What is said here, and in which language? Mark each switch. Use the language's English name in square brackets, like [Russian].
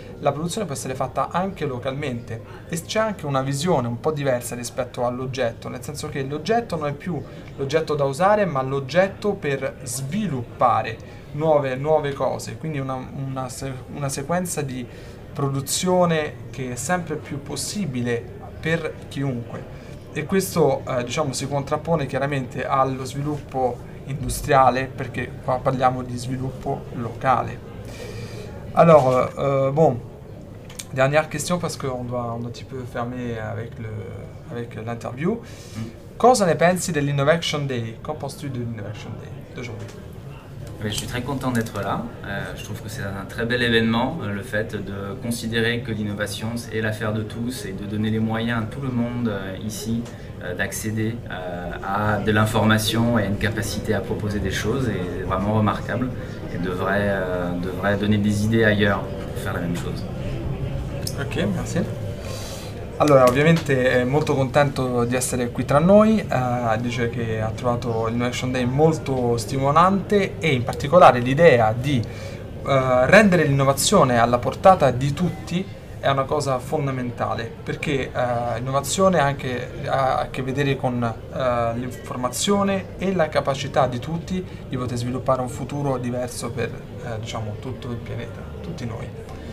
[Italian] la produzione può essere fatta anche localmente e c'è anche una visione un po' diversa rispetto all'oggetto, nel senso che l'oggetto non è più l'oggetto da usare ma l'oggetto per sviluppare nuove cose, quindi una sequenza di produzione che è sempre più possibile per chiunque e questo diciamo si contrappone chiaramente allo sviluppo industriale perché qua parliamo di sviluppo locale. [French] Alors bon, dernière question parce que on doit un petit peu fermer avec l'interview. [Italian] Cosa ne pensi dell'Innovation Day? [French] Qu'en penses-tu de l'Innovation Day d'aujourd'hui? Mais je suis très content d'être là. Je trouve que c'est un très bel événement, le fait de considérer que l'innovation est l'affaire de tous et de donner les moyens à tout le monde ici d'accéder à de l'information et à une capacité à proposer des choses est vraiment remarquable et devrait donner des idées ailleurs pour faire la même chose. Ok, merci. [Italian] Allora, ovviamente è molto contento di essere qui tra noi, dice che ha trovato l'Innovation Day molto stimolante e in particolare l'idea di rendere l'innovazione alla portata di tutti è una cosa fondamentale, perché l'innovazione anche ha a che vedere con l'informazione e la capacità di tutti di poter sviluppare un futuro diverso per diciamo, tutto il pianeta, tutti noi.